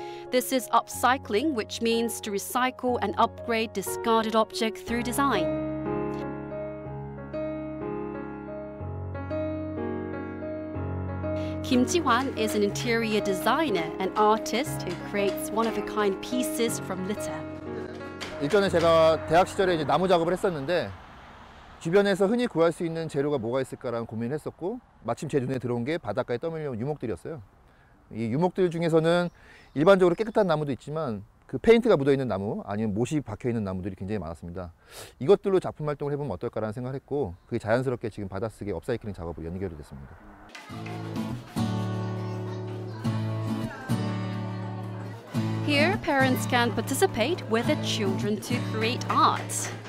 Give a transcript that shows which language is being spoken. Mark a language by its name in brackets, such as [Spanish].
[English] This is upcycling, which means to recycle and upgrade discarded objects through design. Kim Ji-hwan is an interior designer and artist who creates one-of-a-kind pieces from litter. [Korean] 일전에 제가 대학 시절에 이제 나무 작업을 했었는데 주변에서 흔히 구할 수 있는 재료가 뭐가 있을까라는 고민을 했었고 마침 제 눈에 들어온 게 바닷가에 떠밀려온 유목들이었어요. 이 유목들 중에서는 일반적으로 깨끗한 나무도 있지만 그 페인트가 묻어 있는 나무 아니면 못이 박혀 있는 나무들이 굉장히 많았습니다. 이것들로 작품 활동을 해보면 어떨까라는 생각을 했고 그게 자연스럽게 지금 바닷속의 업사이클링 작업으로 연결이 됐습니다. [English] Here, parents can participate with their children to create art.